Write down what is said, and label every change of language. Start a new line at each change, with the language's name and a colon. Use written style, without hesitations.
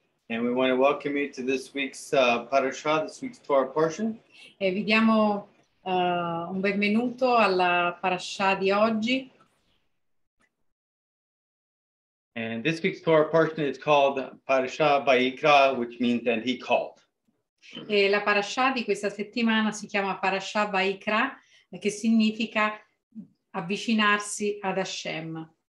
English: And we want to welcome you to this week's parasha, this week's Torah portion.
Italian: E vi diamo un benvenuto alla parasha di oggi.
English: And this week's Torah portion is called Parasha Vayikra, which means that he called.
Italian: E la parasha di questa settimana si chiama Parasha Vayikra, che significa avvicinarsi ad Hashem.